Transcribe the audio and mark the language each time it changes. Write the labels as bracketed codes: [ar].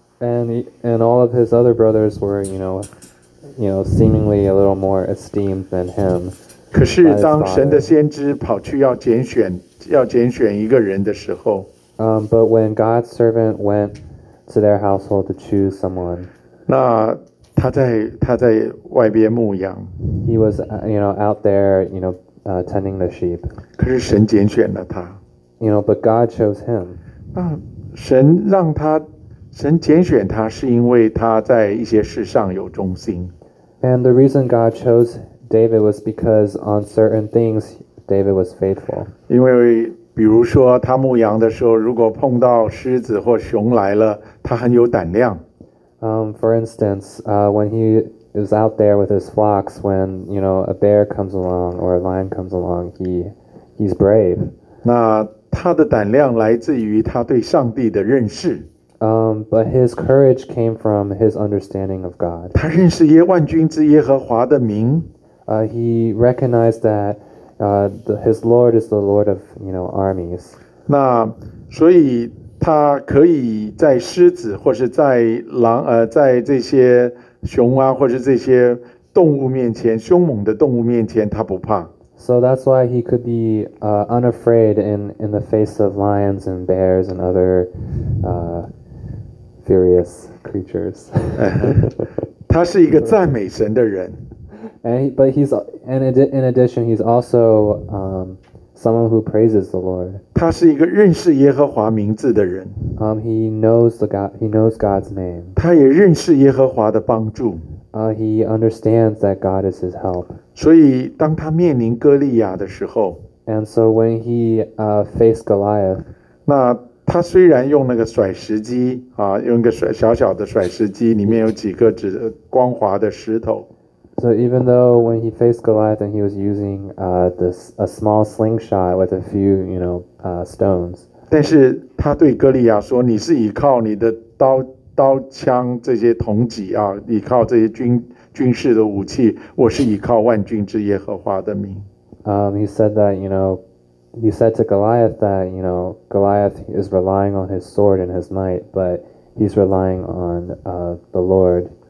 [en] And all of his other brothers were, you know, seemingly a little more esteemed than him. [zh] 可是当神的先知跑去要拣选一个人的时候。 [en] But when God's servant went to their household to choose someone. [zh] 那他在外边牧羊。 [en] He was, you know, out there, you know, tending the sheep. [zh] 可是神拣选了他。 [en] You know, but God chose him. [zh] 那神拣选他是因为他在一些事上有忠心。 [en] And the reason God chose David was because on certain things, David was faithful. [zh] 因为比如说他牧羊的时候如果碰到狮子或熊来了他很有胆量。 [en] For instance, when he is out there with his flocks, when, you know, a bear comes along or a lion comes along, he's brave. [zh] 那他的胆量来自于他对上帝的认识。 [en] But his courage came from his understanding of God. [zh] 他认识耶万军之耶和华的名。 [en] He recognized that his Lord is the Lord of, you know, armies. [zh] 那所以他可以在狮子或是在狼在这些熊啊或是这些动物面前凶猛的动物面前他不怕。 [en] So that's why he could be unafraid in the face of lions and bears and other furious creatures. [zh] 他是一个赞美神的人。 [en] But in addition, he's also someone who praises the Lord. [zh] 他是一个认识耶和华名字的人。 [en] He knows God's name. [zh] 他也认识耶和华的帮助。 [en] He understands that God is his help. [zh] 所以当他面临哥利亚的时候。 [en] And so when he faced Goliath. [zh] 那他虽然用那个甩石机用一个小小的甩石机里面有几个光滑的石头。 [en] So even though when he faced Goliath and he was using a small slingshot with a few, you know, stones. [zh] 但是他对哥利亚说，你是依靠你的刀枪这些铜戟啊，依靠这些军事的武器，我是依靠万军之耶和华的名。 [en] He said that, you know, he said to Goliath that, you know, Goliath is relying on his sword and his might, but he's relying on the Lord.